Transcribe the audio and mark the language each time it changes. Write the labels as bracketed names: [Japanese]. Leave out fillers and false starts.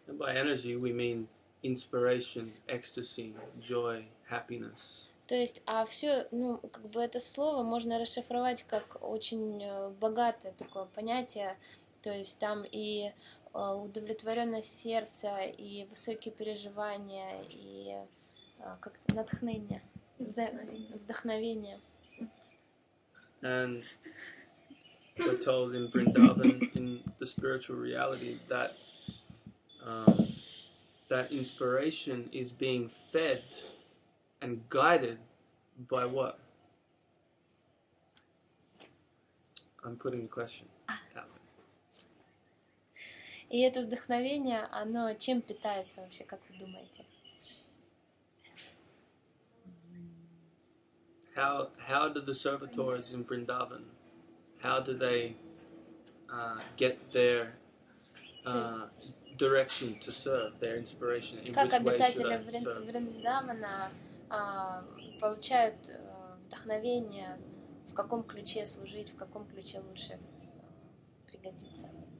[English] And by energy we mean inspiration, ecstasy, joy, happiness. [Russian] То есть, а все, ну, как бы это слово можно расшифровать как очень богатое такое понятие. То есть там и удовлетворенность сердца, и высокие переживания, и как натхнение, вдохновение. [English] And we're told in Vrindavan, in the spiritual reality, that that inspiration is being fed and guided by what? I'm putting the question. [Russian] И это вдохновение, оно чем питается вообще, как вы думаете? [English] How do the servitors in Vrindavan, how do they get their direction to serve, their inspiration? In [Russian] как обитатели Вриндавана получают вдохновение, в каком ключе служить, в каком ключе лучше пригодиться?